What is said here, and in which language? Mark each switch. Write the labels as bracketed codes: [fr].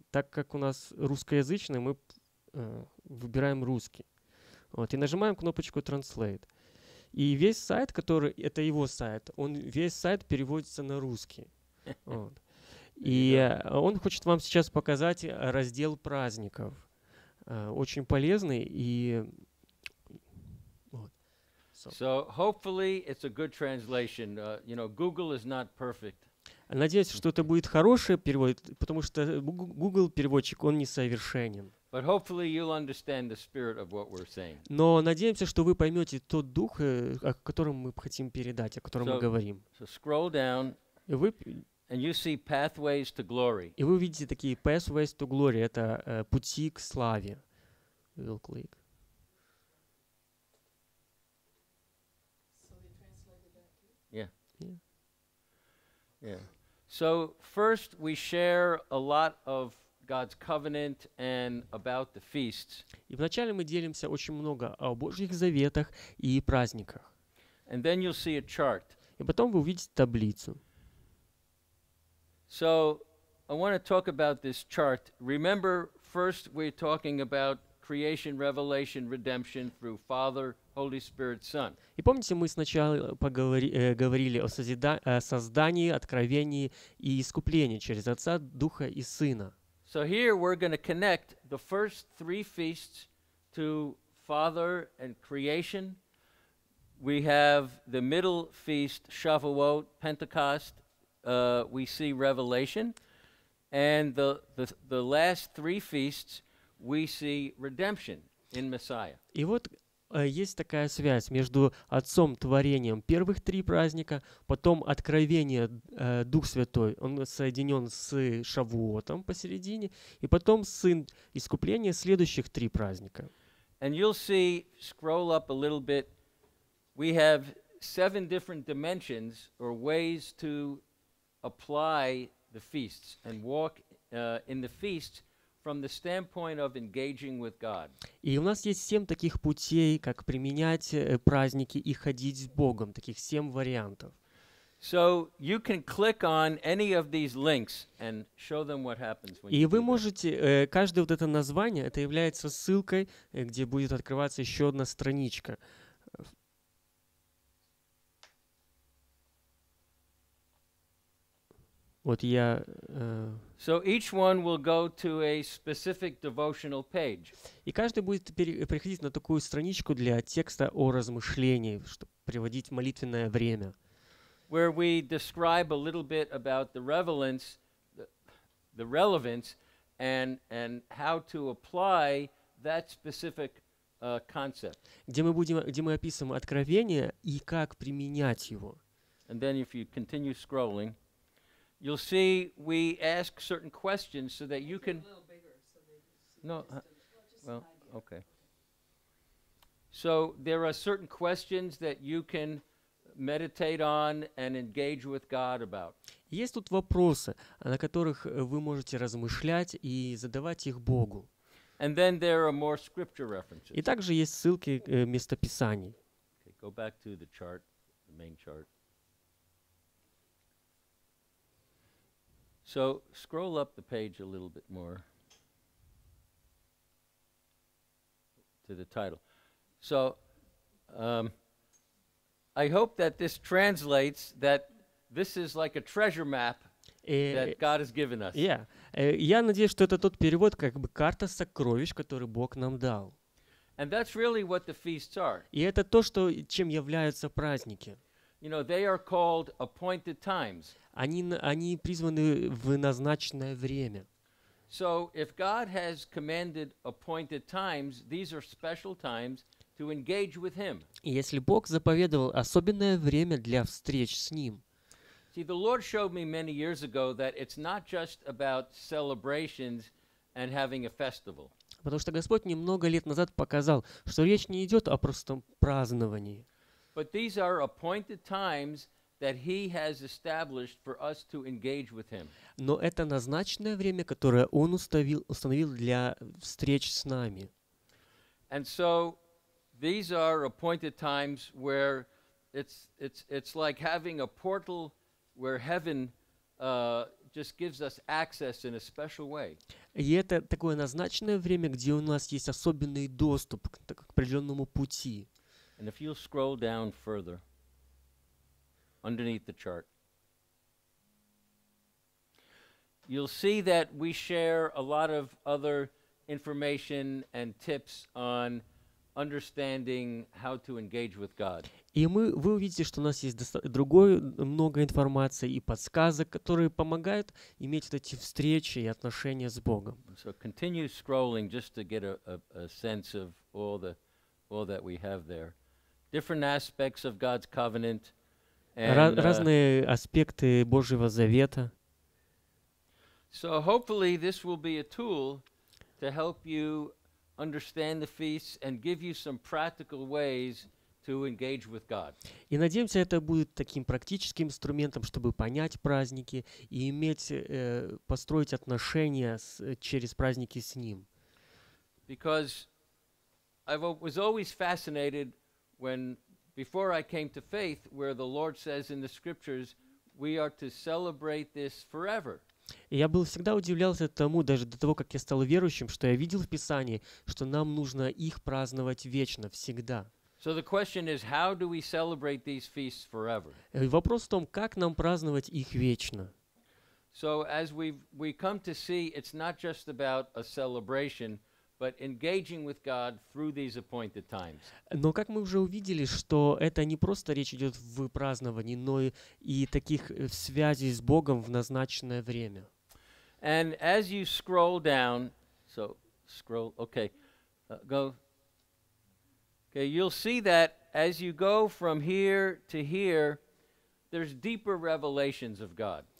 [ru] Так как у нас русскоязычный, мы выбираем русский. Вот, и нажимаем кнопочку «Translate». И весь сайт, который, это его сайт, он весь сайт переводится на русский. Вот. И он хочет вам сейчас показать раздел праздников. Очень полезный и... [en] So hopefully it's a good translation. You know, Google is not perfect. [ru] Надеюсь, что это будет хороший перевод, потому что Google переводчик он несовершенен. [en] But hopefully you'll understand the spirit of what we're saying. [ru] Но надеемся, что вы поймете тот дух, о котором мы хотим передать, о котором мы говорим. [en] So scroll down. [ru] И вы [en] and you see pathways to glory. [ru] И вы видите такие [en] pathways to glory. [ru] Это пути к славе. [en] We'll click. Yeah. So first we share a lot of God's covenant and about the feasts. [ru] И вначале мы делимся очень много о Божьих заветах и праздниках. [en] And then you'll see a chart. [ru] И потом вы увидите таблицу. [en] So I want to talk about this chart. Remember, first we're talking about creation, revelation, redemption through Father, Holy Spirit, Son. [ru] И помните, мы сначала говорили о создании, откровении и искуплении через Отца, Духа и Сына. [en] So here we're going to connect the first three feasts to Father and creation. We have the middle feast, Shavuot, Pentecost. We see revelation. And the last three feasts, we see redemption in Messiah. [ru] И вот есть такая связь между Отцом творением первых три праздника, потом откровение Дух Святой, он соединен с Шавуотом посередине, и потом Сын искупление следующих три праздника. [en] And you'll see, scroll up a little bit, we have seven different dimensions or ways to apply the feasts and walk in the feasts from the standpoint of engaging with God. [ru] И у нас есть семь таких путей, как применять праздники и ходить с Богом, таких семь вариантов. [en] So you can click on any of these links and show them what happens when [ru] и вы можете каждое вот это название это является ссылкой, где будет открываться еще одна страничка. Вот я [en] So each one will go to a specific devotional page. [ru] И каждый будет переходить на такую страничку для текста о размышлении, чтобы приводить молитвенное время. [en] Where we describe a little bit about the relevance, the relevance and how to apply that specific concept. [ru] Где мы описываем откровение и как применять его. [en] And then if you continue scrolling, you'll see we ask certain questions so that you can a little bigger so they No, well, okay. So there are certain questions that you can meditate on and engage with God about. [ru] Есть тут вопросы, на которых вы можете размышлять и задавать их Богу. [en] And then there are more scripture references. [ru] И также есть ссылки местописаний. [en] Okay, go back to the chart, the main chart. So scroll up the page a little bit more to the title. So I hope that this translates that this is like a treasure map that God has given us. Yeah. [ru] Я надеюсь, что это тот перевод, как бы карта сокровищ, который Бог нам дал. [en] And that's really what the feasts are. [ru] И это то, что чем являются праздники. [en] You know, they are called appointed times. [ru] Они призваны в назначенное время. [en] So if God has commanded appointed times, these are special times to engage with Him. [ru] Если Бог заповедовал особенное время для встреч с Ним. [en] See, the Lord showed me many years ago that it's not just about celebrations and having a festival. [ru] Потому что Господь немного лет назад показал, что речь не идет о простом праздновании. [en] But these are appointed times that He has established for us to engage with Him. [ru] Но это назначенное время, которое Он установил для встреч с нами. [en] And so, these are appointed times where it's like having a portal where heaven just gives us access in a special way. [ru] И это такое назначенное время, где у нас есть особенный доступ к определенному пути. [en] And if you scroll down further underneath the chart, you'll see that we share a lot of other information and tips on understanding how to engage with God. [ru] И вы увидите, что у нас есть другое много информации и подсказок, которые помогают иметь эти встречи и отношения с Богом. [en] So continue scrolling just to get a sense of all that we have there. Different aspects of God's covenant. [ru] Разные аспекты Божьего Завета. [en] So hopefully this will be a tool to help you understand the feasts and give you some practical ways to engage with God. [ru] И надеемся, это будет таким практическим инструментом, чтобы понять праздники и иметь построить отношения через праздники с Ним. [en] Because I was always fascinated when, before I came to faith, where the Lord says in the Scriptures, we are to celebrate this forever. [ru] И я был всегда удивлялся тому, даже до того, как я стал верующим, что я видел в Писании, что нам нужно их праздновать вечно, всегда. [en] So the question is, how do we celebrate these feasts forever? [ru] И вопрос в том, как нам праздновать их вечно. [en] So as we come to see, it's not just about a celebration, but engaging with God through these appointed times. [ru] Но как мы уже увидели, что это не просто речь идет в праздновании, но и таких связей с Богом в назначенное время. [en] And as you scroll down, so scroll, okay, go. Okay, you'll see that as you go from here to here, there's deeper revelations of God.